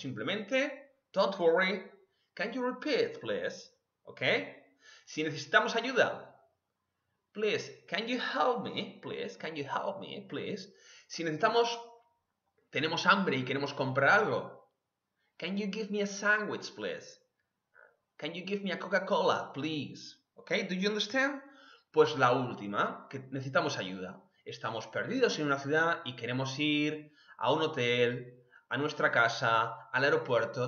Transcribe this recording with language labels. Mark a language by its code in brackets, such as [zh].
[en] Simplemente, don't worry, can you repeat, please? ¿Ok? [es] Si necesitamos ayuda, [en] Please, can you help me? Please, can you help me? Please. [es] Si necesitamos, tenemos hambre y queremos comprar algo. [en] Can you give me a sandwich, please? Can you give me a Coca-Cola, please? Okay, do you understand? [es] Pues la última, que necesitamos ayuda. Estamos perdidos en una ciudad y queremos ir a un hotel, a nuestra casa, al aeropuerto.